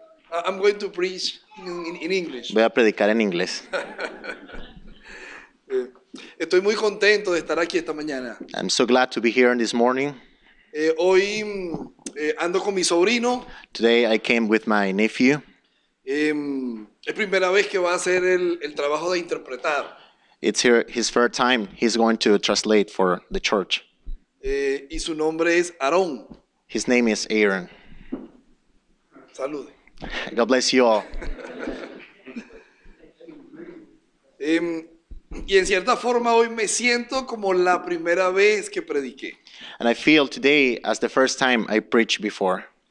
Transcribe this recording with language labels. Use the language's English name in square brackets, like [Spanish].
[English] I'm going to preach in English. [Spanish] Voy a predicar en inglés. Estoy muy contento de estar aquí esta mañana. [English] I'm so glad to be here this morning. [Spanish] Hoy ando con mi sobrino. [English] Today I came with my nephew. [Spanish] Es primera vez que va a hacer el trabajo de interpretar. [English] It's here, his first time. He's going to translate for the church. [Spanish] Y su nombre es Aaron. [English] His name is Aaron. [Spanish] Salude. [English] God bless you all. [Spanish] Y en cierta forma hoy me siento como la primera vez que prediqué. [English] And I feel today as the first time I preached before.